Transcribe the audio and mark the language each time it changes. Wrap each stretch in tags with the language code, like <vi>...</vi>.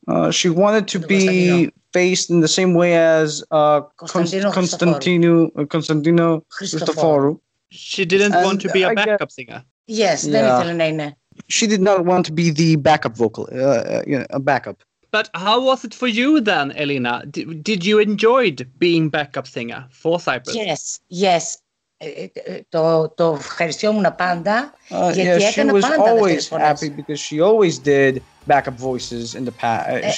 <en>She wanted to be faced in the same way as Konstantino Christoforou. She didn't want to be a backup singer. Yes. She did not want to be the backup vocal, a backup. But how was it for you then, Elena? Did you enjoy being backup singer for Cyprus? Yes.</en> <el>Το ευχαριστιόμουν πάντα γιατί έκανα πάντα.</el> <en>She was always happy because she always did backup voices in the past.</en>